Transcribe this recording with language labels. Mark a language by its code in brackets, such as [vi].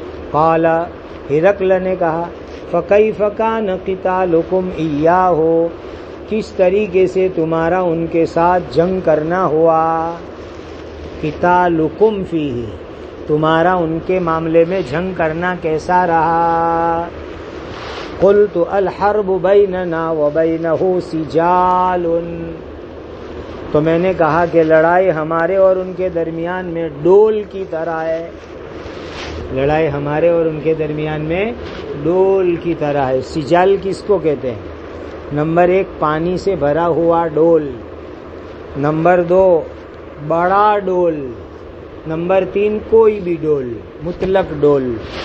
[ur] قال, ہرقل نے کہا [ar] فکیف کان قتالکم ایاہ, [ur] کس طریقے سے تمہارا ان کے ساتھ جنگ کرنا ہوا؟ [ar] قتالکم فیہ, [ur] تمہارا ان کے معاملے میں جنگ کرنا کیسا رہا؟ [ar] قلت الحرب بيننا وبينه سجال. [ur] تو میں نے کہا کہ لڑائی ہمارے اور ان کے درمیان میں ڈول کی طرح ہے، لڑائی ہمارے اور ان کے درمیان میں ڈول کی طرح ہے. سجال کس کو کہتے ہیں؟ نمبر ایک پانی سے بھرا ہوا ڈول، نمبر دو بڑا ڈول، نمبر تین کوئی بھی ڈول، مطلق ڈول.